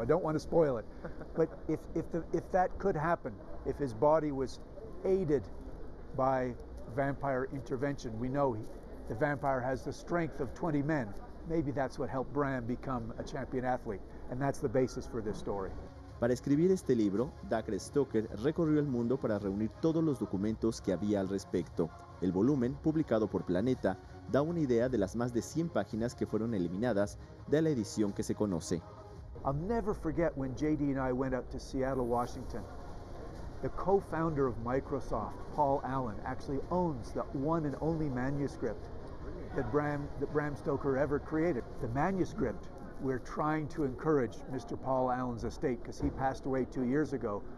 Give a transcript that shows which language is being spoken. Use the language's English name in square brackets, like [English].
[English] I don't want to spoil it, but if that could happen, if his body was aided by vampire intervention, we know the vampire has the strength of 20 men. Maybe that's what helped Bram become a champion athlete, and that's the basis for this story. [Spanish] Para escribir este libro, Dacre Stoker recorrió el mundo para reunir todos los documentos que había al respecto. El volumen, publicado por Planeta, da una idea de las más de 100 páginas que fueron eliminadas de la edición que se conoce. [English] I'll never forget when JD and I went up to Seattle, Washington. The co-founder of Microsoft, Paul Allen, actually owns the one and only manuscript that Bram Stoker ever created. The manuscript, we're trying to encourage Mr. Paul Allen's estate, because he passed away 2 years ago.